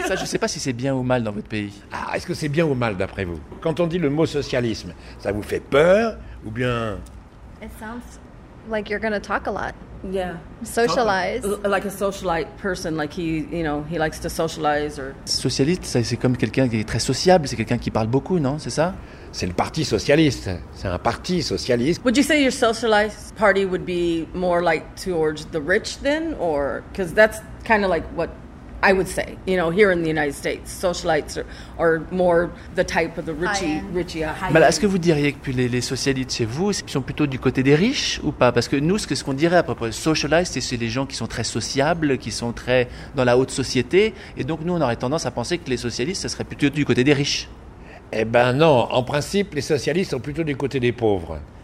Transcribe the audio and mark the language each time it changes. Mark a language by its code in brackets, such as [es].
[fr] Ça, je ne sais pas si c'est bien ou mal dans votre pays. Ah, est-ce que c'est bien ou mal d'après vous? Quand on dit le mot socialisme, ça vous fait peur ou bien... [en] It sounds like you're going to talk a lot. Yeah. Socialize. Like a socialite person, like he, you know, he likes to socialize or... [fr] Socialiste, c'est comme quelqu'un qui est très sociable, c'est quelqu'un qui parle beaucoup, non, c'est ça? C'est le parti socialiste, c'est un parti socialiste. [en] Would you say your socialist party would be more like towards the rich then, or... Because that's kind of like what I would say, you know, here in the United States, socialites are more the type of the richy. [fr] Mais là, est-ce que vous diriez que les socialistes chez vous, ils sont plutôt du côté des riches ou pas? Parce que nous, ce qu'on dirait à propos de socialites, c'est les gens qui sont très sociables, qui sont très dans la haute société. Et donc, nous, on aurait tendance à penser que les socialistes, ce serait plutôt du côté des riches. Eh ben non, en principe, les socialistes sont plutôt du côté des pauvres.